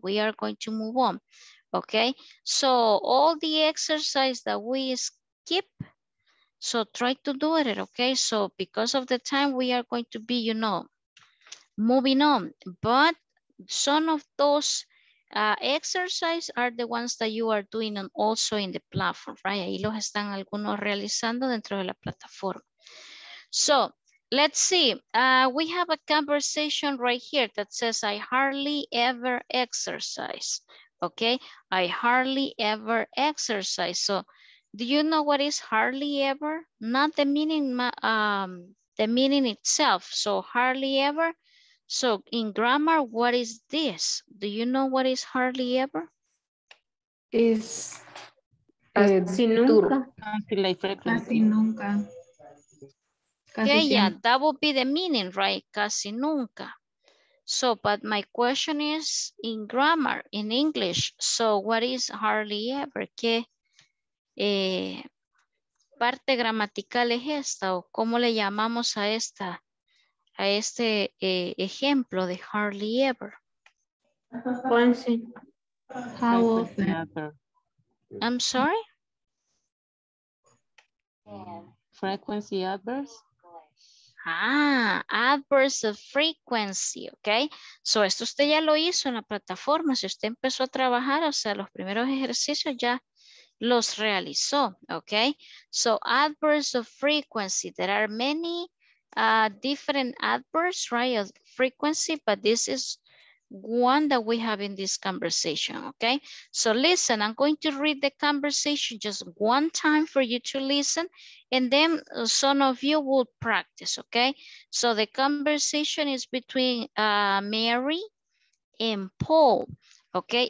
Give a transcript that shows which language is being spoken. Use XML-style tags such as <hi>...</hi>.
<en>We are going to move on. Okay, so all the exercise that we skip, so try to do it, okay? So because of the time, we are going to be, you know, moving on. But some of those exercise are the ones that you are doing and also in the platform, right?</en> <es>Ahí los están algunos realizando dentro de la plataforma.</es> <en>So, let's see. We have a conversation right here that says, I hardly ever exercise, okay? I hardly ever exercise. So, do you know what is hardly ever? Not the meaning, the meaning itself. So, hardly ever. So in grammar, what is this? Do you know what is hardly ever? Is</en> <es>casi nunca. Casi nunca.</es> <en>Casi yeah, siempre. Yeah, that would be the meaning, right?</en> <es>Casi nunca.</es> <en>So, but my question is in grammar, in English. So what is hardly ever? ¿Qué,</en> <es>parte gramatical es esta, o cómo le llamamos a esta, a este ejemplo de hardly ever?</es> <en>How often? I'm sorry? Frequency adverbs. Ah, adverbs of frequency, ok.</en> <es>So, esto usted ya lo hizo en la plataforma. Si usted empezó a trabajar, o sea, los primeros ejercicios ya los realizó, ok.</es> <en>So, adverbs of frequency. There are many different adverbs, right, of frequency, but this is one that we have in this conversation, ok. So, listen, I'm going to read the conversation just one time for you to listen. And then some of you will practice, okay? So the conversation is between Mary and Paul, okay?</en>